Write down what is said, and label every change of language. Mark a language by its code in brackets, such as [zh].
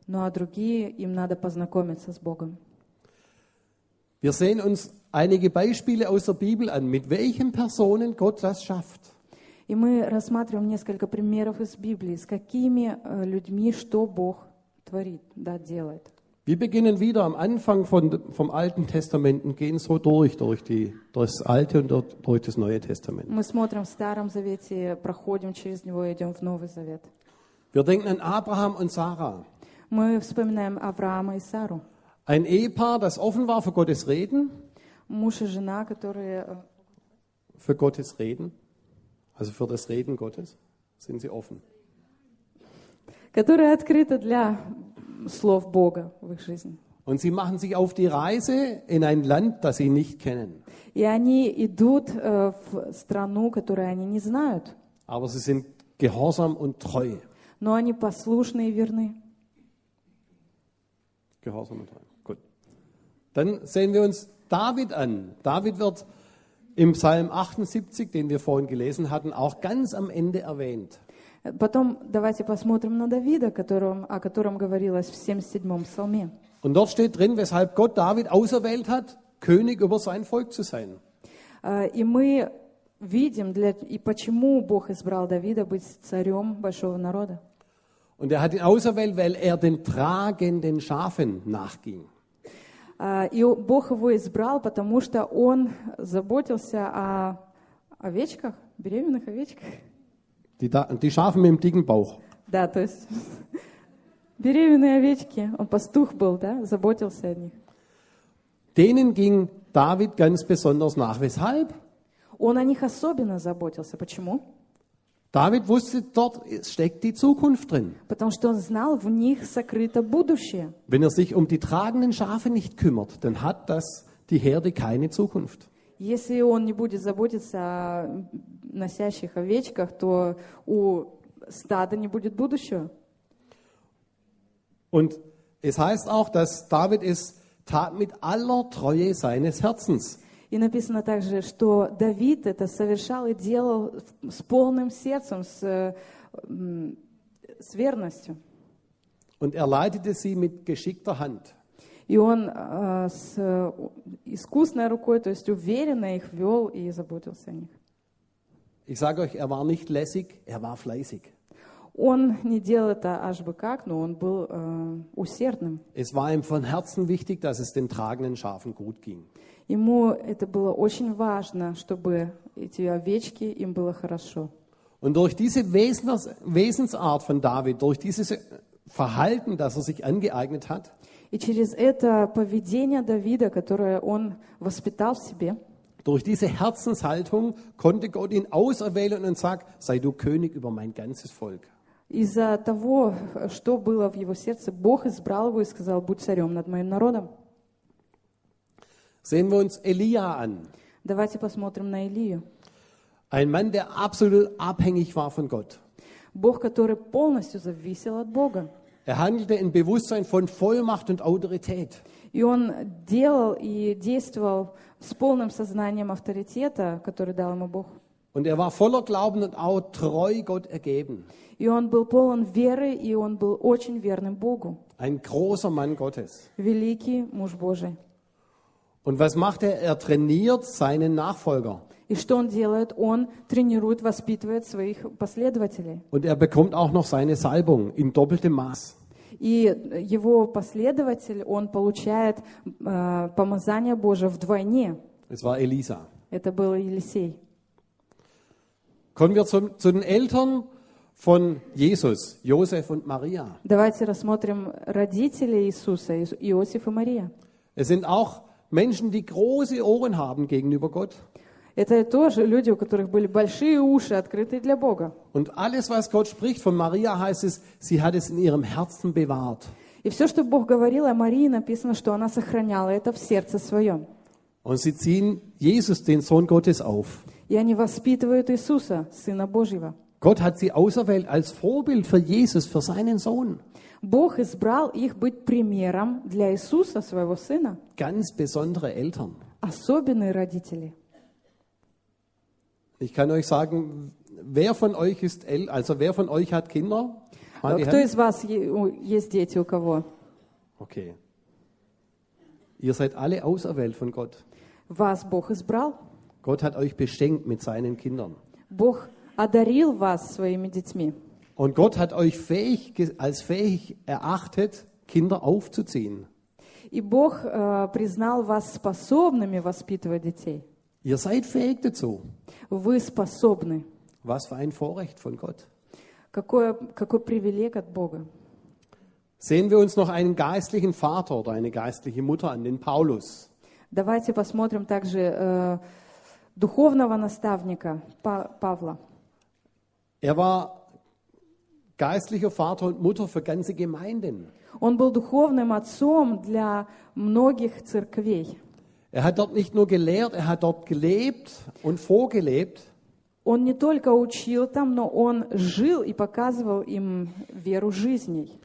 [ru] Ну а другие, им надо познакомиться с Богом. [de] Wir sehen uns einige Beispiele aus der Bibel an, mit welchen Personen Gott das schafft. [ru] И мы рассматриваем несколько примеров из Библии, с какими людьми что Бог творит, да, делает. [de] Wir beginnen wieder am Anfang vom Alten Testament und gehen so durch das Alte und durch das Neue Testament. [ru] Мы смотрим в Старом Завете, проходим через него и идем в Новый Завет. [de] Wir denken an Abraham und Sarah. [ru] Мы вспоминаем Авраама и Сару. [de] Ein Ehepaar, das offen war für Gottes Reden. [ru] Муж и жена, которые... [de] Für Gottes Reden. Also für das Reden Gottes. Sind sie offen. [ru] Которые открыты для слов Бога в их жизни. [de] Und sie machen sich auf die Reise in ein Land, das sie nicht kennen. [ru] И они идут в страну, которую они не знают. [de] Aber sie sind gehorsam und treu. [ru] Но они послушны и верны. [de] Gehorsam und treu. Dann sehen wir uns David an. David wird im Psalm 78, den wir vorhin gelesen hatten, auch ganz am Ende erwähnt. [ru] Потом давайте посмотрим на Давида, о котором говорилось в 77-м псалме. [de] Und dort steht drin, weshalb Gott David auserwählt hat, König über sein Volk zu sein. [ru] И мы видим, и почему Бог избрал Давида быть царем большого народа. [de] Und er hat ihn auserwählt, weil er den tragenden Schafen nachging. [ru] И Бог его избрал, потому что он заботился о овечках, беременных овечках. [de] Die Schafen mit dem dicken Bauch. [ru] Да, то есть беременные овечки. Он пастух был, да, заботился о них. [de] Denen ging David ganz besonders nach. Weshalb? [ru] Он о них особенно заботился. Почему? [de] David wusste, dort steckt die Zukunft drin. [ru] Потому что он знал, в них сокрыто будущее. [de] Wenn er sich um die tragenden Schafe nicht kümmert, dann hat das die Herde keine Zukunft. [ru] Если он не будет заботиться о носящих овечках, то у стада не будет будущего. [de] Und es heißt auch, dass David es tat mit aller Treue seines Herzens. [ru] И написано также, что Давид это совершал и делал с полным сердцем, с верностью. [de] Und er leitete sie mit geschickter Hand. [ru] И он с искусной рукой, то есть уверенно их вел и заботился о них. [de] Ich sage euch, er war nicht lässig, er war fleißig. [ru] Он не делал это аж бы как, но он был усердным. [de] Es war ihm von Herzen wichtig, dass es den tragenden Schafen gut ging. [ru] Ему это было очень важно, чтобы эти овечки им было хорошо. [de] Und durch diese Wesensart von David, durch dieses Verhalten, das er sich angeeignet hat, [ru] и через это поведение Давида, которое он воспитал в себе, [de] durch diese Herzenshaltung konnte Gott ihn auserwählen und sagt, sei du König über mein ganzes Volk. [ru] Из-за того, что было в его сердце, Бог избрал его и сказал, будь царем над моим народом. [de] Sehen wir uns Elia an. [ru] Давайте посмотрим на Илию. [de] Ein Mann, der absolut abhängig war von Gott. [ru] Бог, который полностью зависел от Бога. [de] Er handelte in Bewusstsein von Vollmacht und Autorität. [ru] И он делал и действовал с полным сознанием авторитета, который дал ему Бог. [de] Und er war voller Glauben und auch treu Gott ergeben. [ru] И он был полон веры, и он был очень верным Богу. [de] Ein großer Mann Gottes. [ru] Великий муж Божий. [de] Und was macht er? Er trainiert seinen Nachfolger. [ru] И что он делает? Он тренирует, воспитывает своих последователей. [de] Und er bekommt auch noch seine Salbung in doppeltem Maß. [ru] И его последователь, он получает помазание Божие вдвойне. [de] Es war Elisa. [ru] Это был Елисей. [de] Kommen wir zu den Eltern von Jesus, Josef und Maria. [ru] Давайте рассмотрим родителей Иисуса, Иосиф и Мария. [de] Es sind auch Menschen, die große Ohren haben gegenüber Gott. [ru] Это тоже люди, у которых были большие уши, открытые для Бога. [de] Und alles, was Gott spricht von Maria, heißt es, sie hat es in ihrem Herzen bewahrt. [ru] И все, что Бог говорил о Марии, написано, что она сохраняла это в сердце своем. [de] Und sie ziehen Jesus, den Sohn Gottes, auf. [ru] И они воспитывают Иисуса, Сына Божьего. [de] Gott hat sie auserwählt als Vorbild für Jesus, für seinen Sohn. [ru] Бог избрал их быть примером для Иисуса, своего Сына. [de] Ganz besondere Eltern. [ru] Особенные родители. [de] Ich kann euch sagen, wer von euch ist also wer von euch hat Kinder? [ru] Кто из вас есть дети у кого? Okay. [de] Ihr seid alle auserwählt von Gott. Was [ru] Бог избрал? [de] Gott hat euch beschenkt mit seinen Kindern. [ru] Бог одарил вас своими детьми. [de] Und Gott hat euch fähig erachtet, Kinder aufzuziehen. [ru] И Бог признал вас способными воспитывать детей. [de] Ihr seid fähig dazu. [ru] Вы способны. [de] Was für ein Vorrecht von Gott. [ru] Какой Privileg от Бога. [de] Sehen wir uns noch einen geistlichen Vater oder eine geistliche Mutter an, den Paulus. [ru] Давайте посмотрим также духовного наставника Павла. [de] Er war geistlicher Vater und Mutter für ganze Gemeinden. [ru] Он был духовным отцом для многих церквей. [de] Er hat dort nicht nur gelehrt, er hat dort gelebt und vorgelebt. [ru] Он не только учил там, но он жил и показывал им веру жизни.